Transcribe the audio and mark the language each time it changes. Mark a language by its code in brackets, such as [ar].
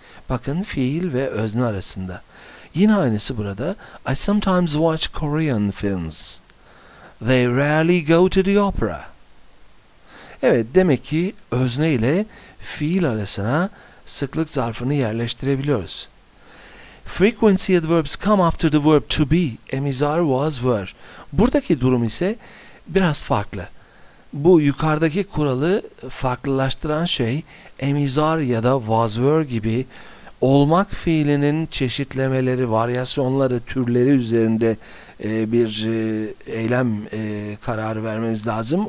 [tr] Bakın, fiil ve özne arasında. Yine aynısı burada. [en] I sometimes watch Korean films. They rarely go to the opera. [tr] Evet, demek ki özne ile fiil arasına sıklık zarfını yerleştirebiliyoruz. [en] Frequency adverbs come after the verb to be. [tr] Am, is, are, was, were. Buradaki durum ise biraz farklı. Bu yukarıdaki kuralı farklılaştıran şey am, is, are ya da was, were gibi Olmak fiilinin çeşitlemeleri, varyasyonları, türleri üzerinde bir eylem kararı vermemiz lazım.